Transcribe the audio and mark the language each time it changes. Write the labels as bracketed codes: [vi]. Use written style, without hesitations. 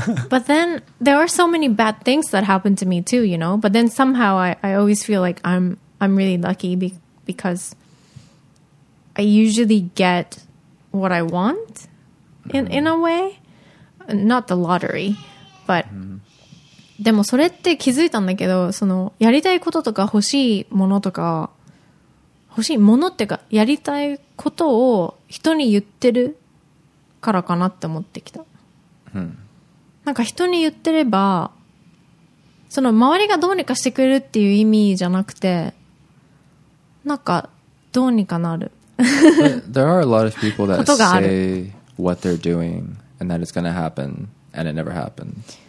[en] But then there are so many bad things that happen to me too, you know? But then somehow I always feel like I'm really lucky because I usually get what I want in a way. Not the lottery, but... [ja] でもそれって気づいたんだけど、そのやりたいこととか欲しいものとか、欲しいものっていうかやりたいことを人に言ってるからかなって思ってきた。なんか人に言ってれば、その周りがどうにかしてくれるっていう意味じゃなくて、なんかどうにかなる。 [en] There are a lot of people that say what they're doing and that it's going to happen and it never happened.